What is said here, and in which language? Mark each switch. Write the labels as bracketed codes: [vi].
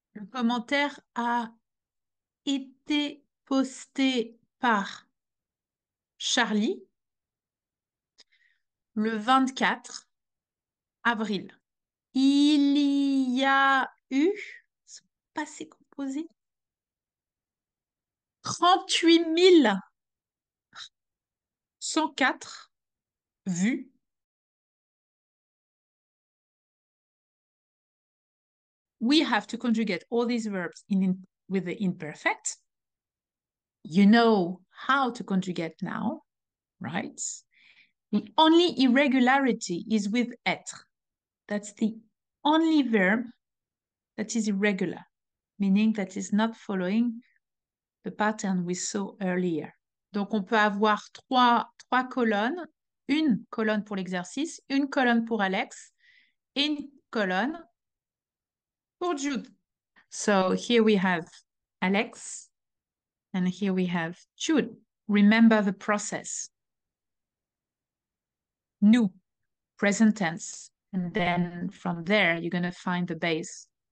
[fr] Le commentaire a été posté par Charlie le 24 avril. Il y a eu, pas assez composé, 38 000 104 vues. [en] We have to conjugate all these verbs with the imperfect. You know how to conjugate now, right? The only irregularity is with être. That's the only verb that is irregular, meaning that is not following the pattern we saw earlier. [fr] Donc, on peut avoir trois colonnes, une colonne pour l'exercice, une colonne pour Alex et une colonne pour Jude. [en] So, here we have Alex and here we have Jude. Remember the process. Nous, present tense. And then from there, you're going to find the base.